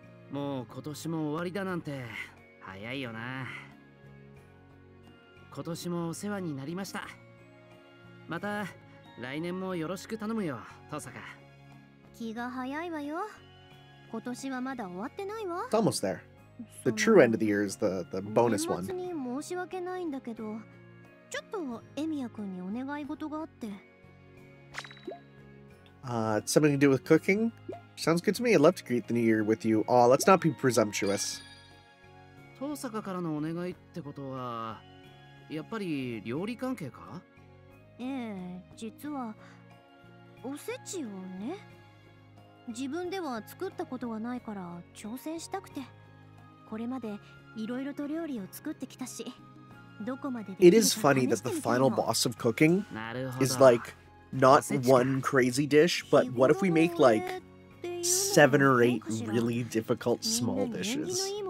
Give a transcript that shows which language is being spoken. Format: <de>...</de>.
<ja>もう今年も終わりだなんて早いよな。今年もお世話になりました。また来年もよろしく頼むよ、登坂。気が早いわよ。今年はまだ終わってないわ。</ja> <en>It's almost there. The true end of the year is the bonus one.</en> <ja>年末に申し訳ないんだけど。ちょっとエミヤ君にお願い事があって。</ja> <en>It's something to do with cooking? Sounds good to me. I'd love to greet the new year with you. Aw, let's not be presumptuous.</en> <ja>登坂からのお願いってことは、やっぱり料理関係か? ええ、実は、おせちをね。自分では作ったことがないから挑戦したくて。これまでいろいろと料理を作ってきたし。</ja> <en>It is funny that the final boss of cooking is like not one crazy dish, but what if we make like 7 or 8 really difficult small dishes?</en>